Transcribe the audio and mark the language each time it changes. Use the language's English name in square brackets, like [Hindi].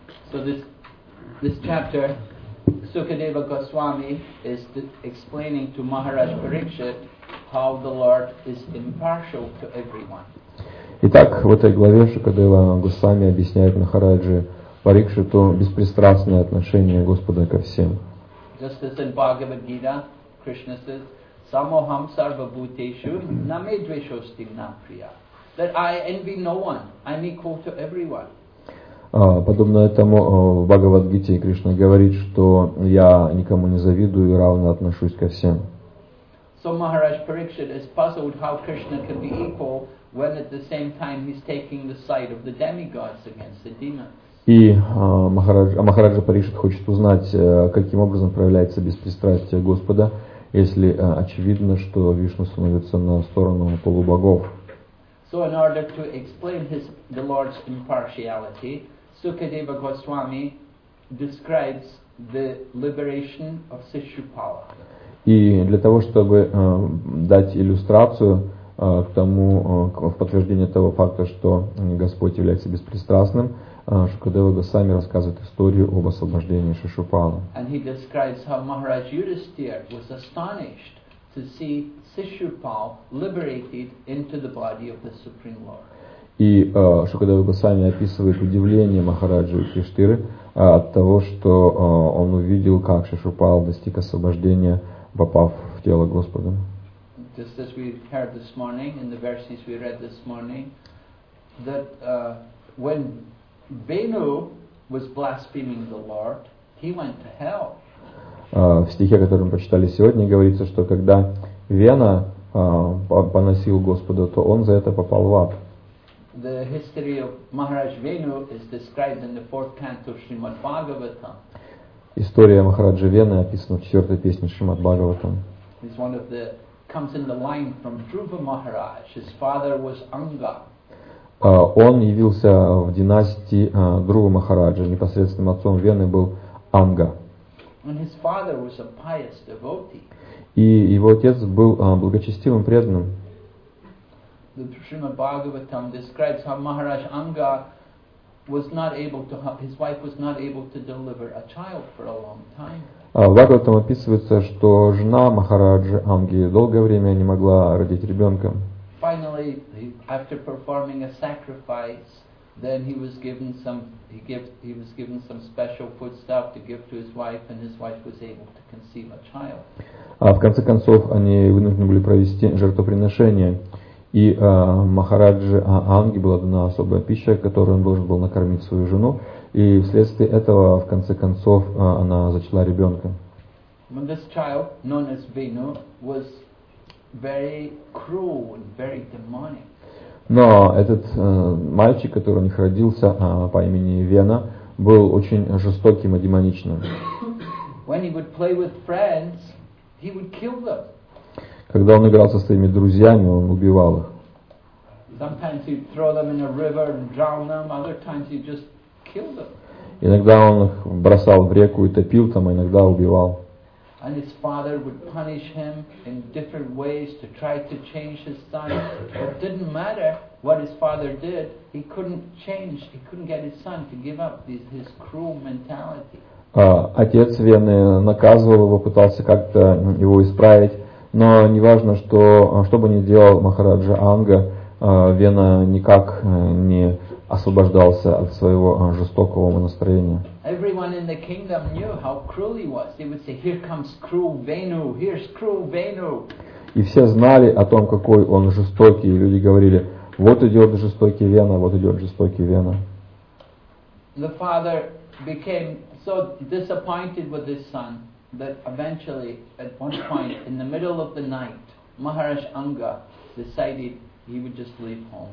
[English] So this chapter Sukadeva Goswami is explaining to Maharaj Parikshit how the Lord is impartial to everyone. [Russian] Итак, в этой главе Шукадева Госвами объясняет Махараджи Парикшиту беспристрастное отношение Господа ко всем. [English] Just as in Bhagavad Gita, Krishna says, [Sanskrit] Samoham sarva bhuteshu na me dveshosti na priya. [English] That I envy no one, I'm equal to everyone. [Russian] Подобно этому в Бхагавад-гите Кришна говорит, что я никому не завидую и равно отношусь ко всем. [English] So Maharaj Parikshit is puzzled how Krishna can be equal when at the same time he's taking the side of the demigods against the demons. [Russian] И Махараджа Парикшит хочет узнать, каким образом проявляется беспристрастие Господа, если очевидно, что Вишну становится на сторону полубогов. [English] So in order to explain the Lord's impartiality, Sukadeva Goswami describes the liberation of Shishupala. [Russian] И для того, чтобы дать иллюстрацию к тому, в подтверждение того факта, что Господь является беспристрастным, Шукадева Госвами рассказывает историю об освобождении Шишупала. [English] And he describes how Maharaj Yudhisthira was astonished to see Sishupal liberated into the body of the Supreme Lord. [Russian] И Шукадева Госвами описывает удивление Махараджи Юдхиштхиры от того, что он увидел, как Шишупал достиг освобождения, попав в тело Господа. [English] Just as we heard this morning in the verses we read this morning, that when Venu was blaspheming the Lord, he went to hell. [Russian] В стихе, который мы прочитали сегодня, говорится, что когда Вена поносил Господа, то он за это попал в ад. [English] The history of Maharaj Venu is described in the fourth canto of Srimad Bhagavatam. [Russian] История Махараджи Вены описана в четвертой песне Шримад Бхагаватам. [English] It's one of the comes in the line from Dhruva Maharaj. His father was Anga. [Russian] Он явился в династии Друва Махараджа. Непосредственным отцом Вены был Анга. [English] And his father was a pious devotee. [Russian] И его отец был благочестивым преданным. [English] The Srimad Bhagavatam describes how Maharaj Anga was not able to help, his wife was not able to deliver a child for a long time. [Russian] В Бхагаватам описывается, что жена Махараджи Анги долгое время не могла родить ребенка. [English] Finally, after performing a sacrifice, then he was given some special foodstuff to give to his wife, and his wife was able to conceive a child. [Russian] В конце концов, они вынуждены были провести жертвоприношение, и Махараджи Анги была дана особая пища, которую он должен был накормить свою жену. И вследствие этого, в конце концов, она зачала ребенка. [English] When this child, known as Venu, was very cruel and very demonic. [Russian] Но этот мальчик, который у них родился по имени Вена, был очень жестоким и демоничным. [English] When he would play with friends, he would kill them. [Russian] Когда он играл со своими друзьями, он убивал их. [English] Sometimes he'd throw them in a river and drown them. Other times he'd just [Russian] иногда он их бросал в реку и топил там, а иногда убивал. [English] And his father would punish him in different ways to try to change his son. It didn't matter what his father did, he couldn't change, he couldn't get his son to give up his cruel mentality. [Russian] Отец Вены наказывал его, пытался как-то его исправить, но неважно, что бы ни делал Махараджа Анга, Вена никак не освобождался от своего жестокого настроения. [English] Everyone in the kingdom knew how cruel he was. They would say, "Here comes cruel Venu. Here's cruel Venu." [Russian] И все знали о том, какой он жестокий. И люди говорили: "Вот идет жестокий Вена. Вот идет жестокий Вена." [English] The father became so disappointed with his son that eventually, at one point in the middle of the night, Maharaj Anga decided he would just leave home